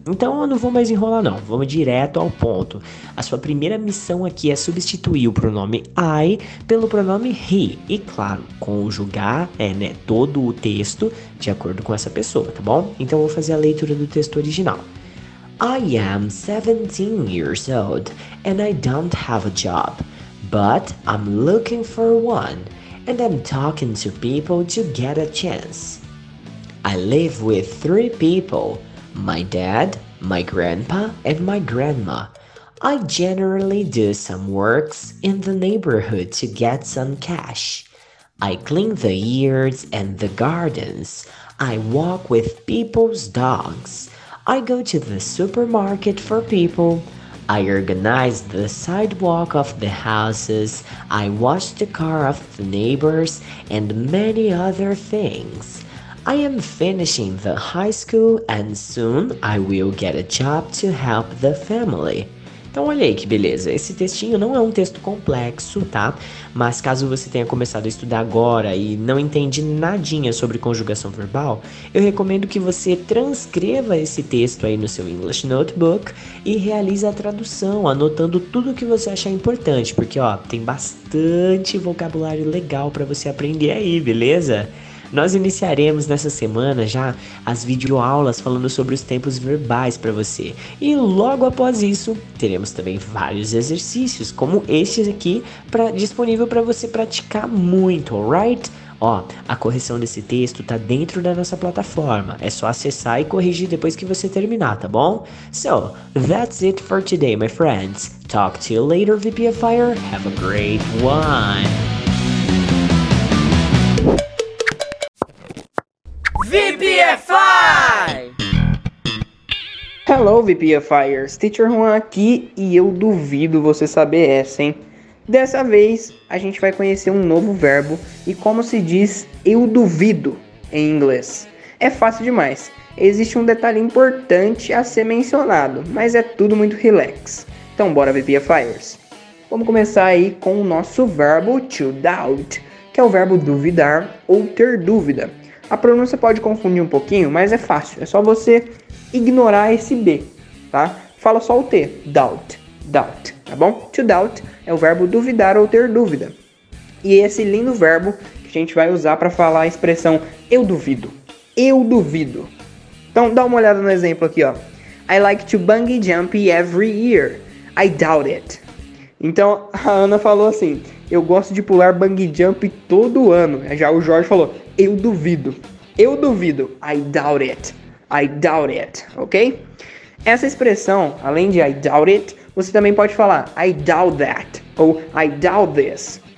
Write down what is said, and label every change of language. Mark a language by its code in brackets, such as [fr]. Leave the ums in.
[pt] Então eu não vou mais enrolar, não. Vamos direto ao ponto. A sua primeira missão aqui é substituir o pronome I pelo pronome he. E claro, conjugar é, né, todo o texto de acordo com essa pessoa, tá bom? Então eu vou fazer a leitura do texto original. [en] I am 17 years old and I don't have a job. but I'm looking for one and I'm talking to people to get a chance. I live with three people my dad, my grandpa, and my grandma. I generally do some works in the neighborhood to get some cash. I clean the yards and the gardens. I walk with people's dogs. I go to the supermarket for people. I organize the sidewalk of the houses, I wash the car of the neighbors, and many other things. I am finishing the high school and soon I will get a job to help the family. [pt] Então olha aí que beleza. Esse textinho não é um texto complexo, tá? Mas caso você tenha começado a estudar agora e não entende nadinha sobre conjugação verbal, eu recomendo que você transcreva esse texto aí no seu English Notebook e realize a tradução, anotando tudo o que você achar importante, porque ó, tem bastante vocabulário legal para você aprender aí, beleza? Nós iniciaremos nessa semana já as videoaulas falando sobre os tempos verbais para você. E logo após isso, teremos também vários exercícios, como este aqui, pra, disponível para você praticar muito, alright? Ó, a correção desse texto tá dentro da nossa plataforma. É só acessar e corrigir depois que você terminar, tá bom? [en] So, that's it for today, my friends. Talk to you later, VP of fire. Have a great one! Hello, VP of Fires. [pt] Teacher Juan aqui e eu duvido você saber essa, hein? Dessa vez, a gente vai conhecer um novo verbo e como se diz eu duvido em inglês. É fácil demais. Existe um detalhe importante a ser mencionado, mas é tudo muito relax. Então, bora, VP Vamos começar aí com o nosso verbo to doubt, que é o verbo duvidar ou ter dúvida. A pronúncia pode confundir um pouquinho, mas é fácil. É só você ignorar esse B, tá? Fala só o T, doubt, doubt, tá bom? To doubt é o verbo duvidar ou ter dúvida. E esse lindo verbo que a gente vai usar para falar a expressão eu duvido. Eu duvido. Então dá uma olhada no exemplo aqui, ó. [en] I like to bungee jump every year. I doubt it. [pt] Então a Ana falou assim: "Eu gosto de pular bungee jump todo ano". Já o Jorge falou: "Eu duvido". Eu duvido. [en] I doubt it. I doubt it, [pt] ok? Essa expressão, além de I doubt it, você também pode falar [en] I doubt that [pt] ou [en] I doubt this.